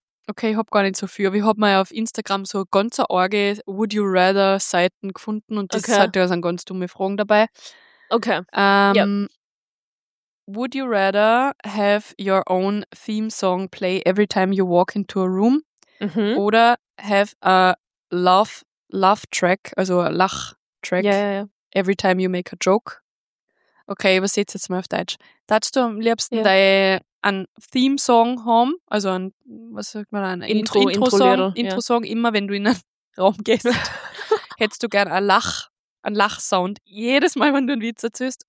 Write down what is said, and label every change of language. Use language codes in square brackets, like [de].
[de] Okay, ich habe gar nicht so viel. Ich habe mal auf Instagram so ganz arge Would You Rather Seiten gefunden und das hat ja so ganz dumme Fragen dabei. Okay. [en] Would you rather have your own theme song play every time you walk into a room? Mhm. Oder have a love track, [de] also a Lach-Track, [en] every time you make a joke? [de] Okay, übersetze jetzt mal auf Deutsch. Darfst du am liebsten einen theme song haben, also ein, was sagt man, ein Intro-Song, immer wenn du in einen Raum gehst, hättest du gern einen Lach-Sound jedes Mal, wenn du einen Witz erzählst?